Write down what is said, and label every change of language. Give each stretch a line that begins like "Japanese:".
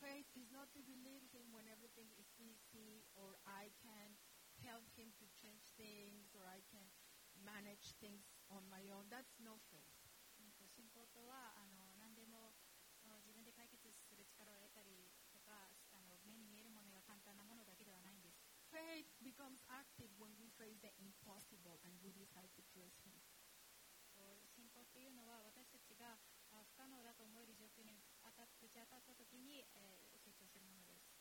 English: Faith is not to believe Him when everything is easy or I can help Him to change things or I can manage things on my own. That's no faith.
Japanese: 信仰とは何でも自分で解決する力を得たりとか目に見えるものが簡単なものだけではないんです。
English: Faith becomes active when we face the impossible and we decide to trust Him.
Japanese: 信仰というのは私たちが不可能だと思える状況に立ち当たったときに成長するものです。